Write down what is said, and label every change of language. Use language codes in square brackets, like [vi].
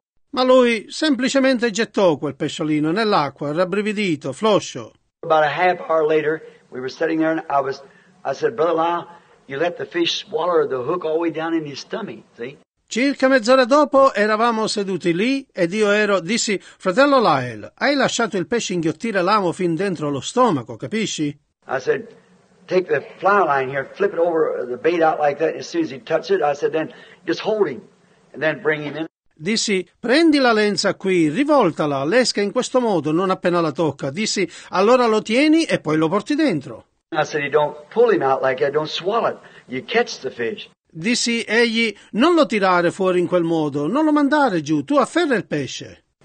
[it] Ma lui semplicemente gettò quel pesciolino nell'acqua, rabbrividito, floscio. [en] About a half hour later, we were sitting there and I said, Brother Lyle, you let the fish swallow the hook all the way down in his stomach, see? [it] Circa mezz'ora dopo eravamo seduti lì ed io dissi, fratello Lyle, hai lasciato il pesce inghiottire l'amo fin dentro lo stomaco, capisci? [en] I said, take the fly line here, flip it over the bait out like that, as soon as he touched it, I said, then just hold him and then bring him in. [it] Dissi, prendi la lenza qui, rivoltala, l'esca in questo modo, non appena la tocca. Dissi, allora lo tieni e poi lo porti dentro. [en] I said, don't pull him out like that, don't swallow it, you catch the fish. [it] Dissi, egli, non lo tirare fuori in quel modo, non lo mandare giù, tu afferra il pesce.